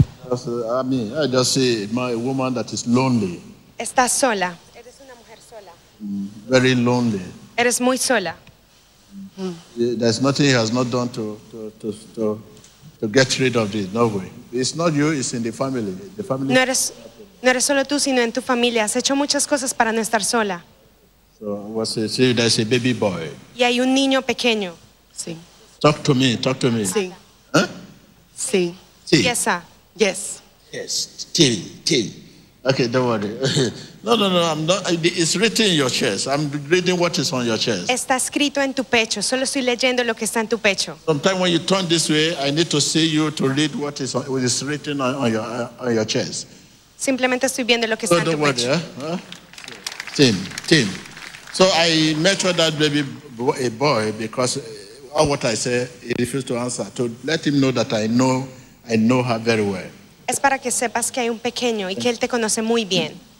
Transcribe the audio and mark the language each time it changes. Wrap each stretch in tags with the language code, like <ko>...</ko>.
<en>I just see a woman that is lonely.</en> <es>Está sola. Eres una mujer sola.</es> <en>Very lonely.</en> <es>Eres muy sola.</es> <en>There's nothing he has not done to get rid of this, no way. It's not you, it's in the family. The family.</en> <es>No eres solo tú, sino en tu familia. Has hecho muchas cosas para no estar sola.</es> <en>So, there's a baby boy.</en> <es>Y hay un niño pequeño. Sí.</es> <en>Talk to me.</en> <es>Sí. Huh? Sí. Sí.</es> <en>Yes, sir. Yes. Yes. Tea. Okay, don't worry. No, I'm not. It's written in your chest. I'm reading what is on your chest.</en> <es>Está escrito en tu pecho. Solo estoy leyendo lo que está en tu pecho.</es> <en>Sometimes when you turn this way, I need to see you to read what is written on your chest.</en> <es>Simplemente estoy viendo lo que está en tu pecho.</es> <en>Don't worry. Tim. So I met with that baby boy, a boy, because all what I say, he refused to answer. To let him know that I know her very well.</en> <es>Es para que sepas que hay un pequeño y que él te conoce muy bien.</es>